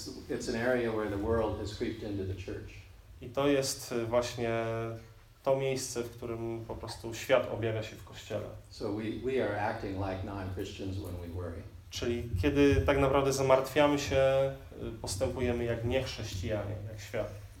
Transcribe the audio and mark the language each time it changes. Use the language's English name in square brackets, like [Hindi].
[English] It's an area where the world has creeped into the church. [Polish] I to jest właśnie to miejsce, w którym po prostu świat objawia się w kościele. [English] So we are acting like non-Christians when we worry. [Polish] Czyli kiedy tak naprawdę zamartwiamy się, postępujemy jak niechrześcijanie, jak świat.